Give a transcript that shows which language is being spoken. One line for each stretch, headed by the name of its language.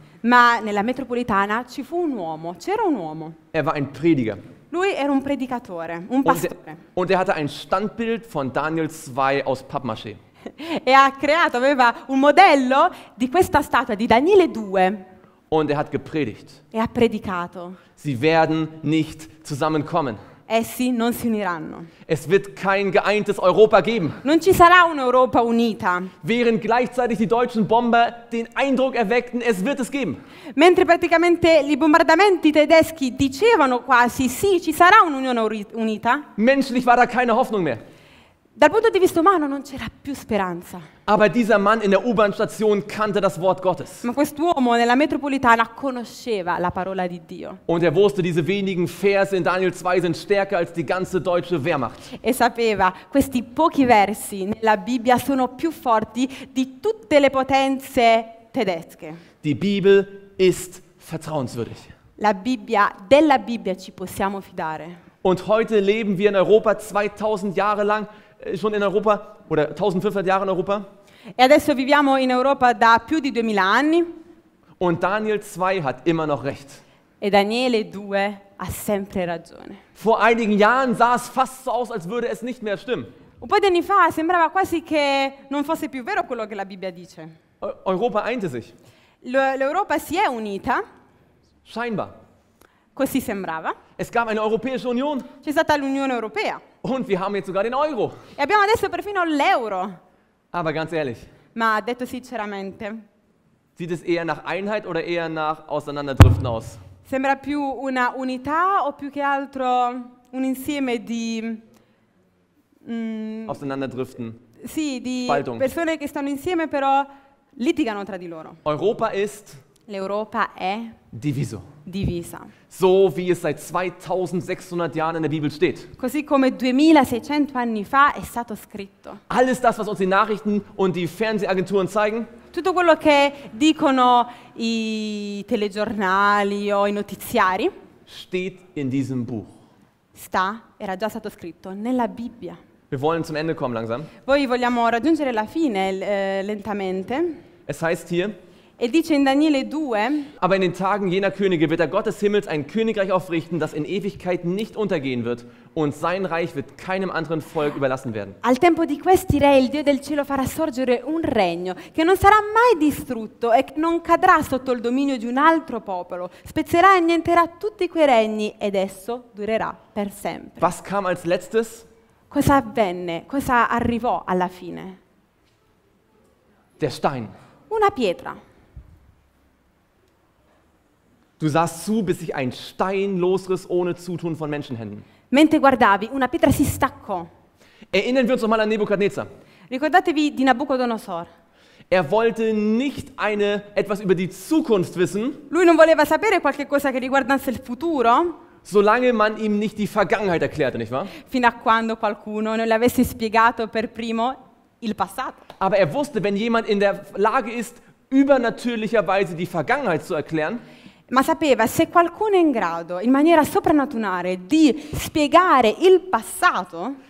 Italian: Ma nella metropolitana ci fu un uomo, c'era un uomo.
German: Er war ein Prediger.
Italian: Lui era un predicatore, un pastore.
German: Und er hatte ein Standbild von Daniel 2 aus Pappmaché.
Italian: E ha creato, aveva un modello di questa statua di Daniele 2.
German: Und er hat gepredigt. Er hat
Italian: predicato.
German: Sie werden nicht zusammenkommen.
Italian: Essi non si uniranno.
German: Es wird kein geeintes Europa geben.
Italian: Non ci sarà un'Europa unita.
German: Während gleichzeitig die deutschen Bomber den Eindruck erweckten, es wird es geben.
Italian: Mentre praticamente i bombardamenti tedeschi dicevano quasi sì, ci sarà un'Unione unita.
German: Menschlich war da keine Hoffnung mehr.
Italian: Dal punto di vista umano non c'era più speranza.
German: Aber dieser Mann in der U-Bahn-Station kannte das Wort Gottes.
Italian: Ma quest'uomo nella metropolitana conosceva la parola di Dio.
German: Und er wusste, diese wenigen Verse in Daniel 2 sind stärker als die ganze deutsche Wehrmacht.
Italian: E sapeva, questi pochi versi nella Bibbia sono più forti di tutte le potenze tedesche.
German: Die Bibel ist vertrauenswürdig.
Italian: La Bibbia, della Bibbia ci possiamo fidare.
German: Und heute leben wir in Europa 2000 Jahre lang schon in Europa oder 1500 Jahre in Europa.
Italian: E adesso viviamo in Europa da più di 2000 anni.
German: Und Daniel 2 hat immer noch recht.
Italian: E Daniele 2 ha sempre ragione.
German: Vor einigen Jahren sah es fast so aus, als würde es nicht mehr stimmen.
Italian: Un po' di anni fa sembrava quasi che non fosse più vero quello che la Bibbia dice.
German: Europa einte sich.
Italian: L'Europa si è unita.
German: Scheinbar.
Italian: Così sembrava.
German: Es gab eine Europäische Union.
Italian: C'è stata l'Unione Europea.
German: Und wir haben jetzt sogar den Euro.
Italian: E abbiamo adesso perfino l'euro.
German: Aber ganz ehrlich.
Italian: Ma detto sinceramente.
German: Sieht es eher nach Einheit oder eher nach Auseinanderdriften aus?
Italian: Sembra più una unità o più che altro un insieme di
German: Auseinanderdriften.
Italian: Sì, di
German: Spaltung.
Italian: Persone che stanno insieme però litigano tra di loro.
German: Europa ist.
Italian: L'Europa è. Diviso. Divisa.
German: So wie es seit 2600 Jahren in der Bibel steht.
Italian: Così come 2600 anni fa è stato scritto.
German: Alles das, was uns die Nachrichten und die Fernsehagenturen zeigen.
Italian: Tutto quello che dicono i telegiornali o i notiziari.
German: Steht in diesem Buch.
Italian: Sta, era già stato scritto nella Bibbia.
German: Wir wollen zum Ende kommen langsam.
Italian: Voi vogliamo raggiungere la fine lentamente.
German: Es heißt hier.
Italian: E dice in Daniele 2:
German: Aber in den Tagen jener Könige wird der Gott des Himmels ein Königreich aufrichten, das in Ewigkeit nicht untergehen wird, und sein Reich wird keinem anderen Volk überlassen werden.
Italian: Al tempo di questi re il Dio del cielo farà sorgere un regno che non sarà mai distrutto e che non cadrà sotto il dominio di un altro popolo. Spezzerà e annienterà tutti quei regni ed esso durerà per sempre.
German: Was kam als letztes?
Italian: Cosa avvenne? Cosa arrivò alla fine?
German: Der Stein.
Italian: Una pietra.
German: Du sahst zu, bis sich ein Stein losriss ohne Zutun von Menschenhänden.
Italian: Mentre guardavi, una pietra si staccò.
German: Erinnern wir uns nochmal an Nebukadnezar.
Italian: Ricordatevi di Nabucodonosor.
German: Er wollte nicht eine etwas über die Zukunft wissen.
Italian: Lui non voleva sapere qualche cosa che riguardasse il futuro.
German: Solange man ihm nicht die Vergangenheit erklärte, nicht wahr?
Italian: Fino a quando qualcuno non le avesse spiegato per primo il passato.
German: Aber er wusste, wenn jemand in der Lage ist, übernatürlicherweise die Vergangenheit zu erklären.
Italian: Ma sapeva, se qualcuno è in grado, in maniera soprannaturale, di spiegare il passato,